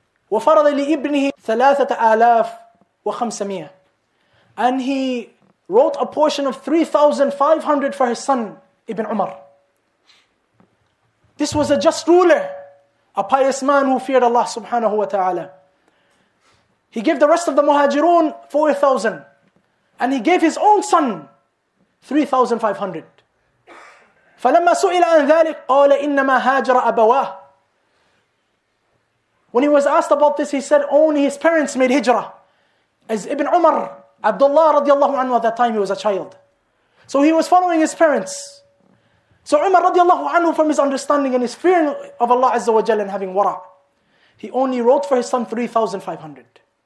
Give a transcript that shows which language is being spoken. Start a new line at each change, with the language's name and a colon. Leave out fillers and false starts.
Arabic: وَفَرَضَ لِإِبْنِهِ ثَلَاثَةَ آلَافٍ وَخَمْسَمِيَةٍ
English: And he wrote a portion of 3,500 for his son, Ibn Umar. This was a just ruler, a pious man who feared Allah subhanahu wa ta'ala. He gave the rest of the Muhajirun 4,000. And he gave his own son 3,500.
Arabic: فلما سئل عن ذلك قال إنما هاجر أبواه.
English: When he was asked about this, he said only his parents made hijrah. As Ibn Umar, Abdullah radiallahu anhu, at that time he was a child. So he was following his parents. So Umar radiallahu anhu, from his understanding and his fearing of Allah Azza wa Jal and having wara, he only wrote for his son 3,500.